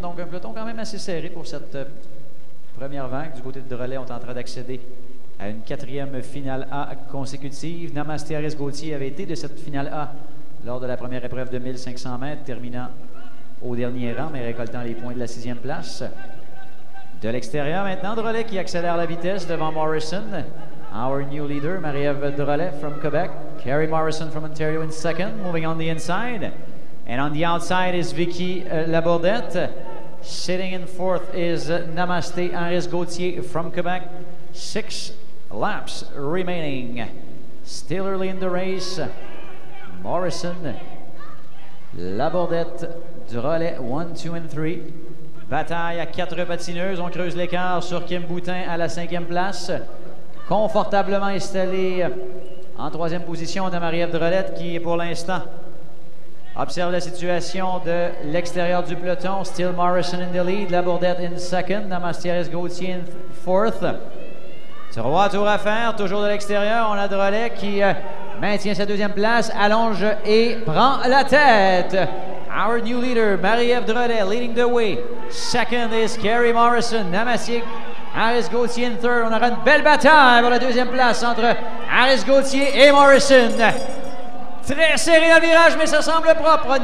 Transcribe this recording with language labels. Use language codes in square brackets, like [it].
[fr] Donc, un peloton quand même assez serré pour cette première vague. Du côté de Drolet, on est en train d'accéder à une 4e finale A consécutive. Namastéris Gauthier avait été de cette finale A lors de la première épreuve de 1500 mètres, terminant au dernier rang, mais récoltant les points de la 6e place. De l'extérieur maintenant, Drolet qui accélère la vitesse devant Morrison. [en] Our new leader, Marie-Ève Drolet from Quebec. Carrie Morrison from Ontario in second, moving on the inside. And on the outside is Vicky Labordette. Sitting in fourth is Namaste Harris Gauthier from Quebec. 6 laps remaining. Still early in the race. Morrison, Labordette, Drolet, 1, 2, and 3. [fr] Bataille à 4 patineuses. On creuse l'écart sur Kim Boutin à la 5e place. Confortablement installée en 3e position de Marie-Ève Drolet qui, pour l'instant, observe la situation de l'extérieur du peloton. [en] Still Morrison in the lead, Labordette in second, Namastéris Gauthier in fourth. [fr] 3 tours à faire, toujours de l'extérieur. On a Drolet qui maintient sa 2e place, allonge et prend la tête. [en] Our new leader, Marie-Ève Drolet, leading the way. Second is Carrie Morrison, Namastéris Gauthier. Harris Gauthier in third. [fr] On aura une belle bataille pour la 2e place entre Harris Gauthier et Morrison. Très serré dans le virage, mais ça semble propre.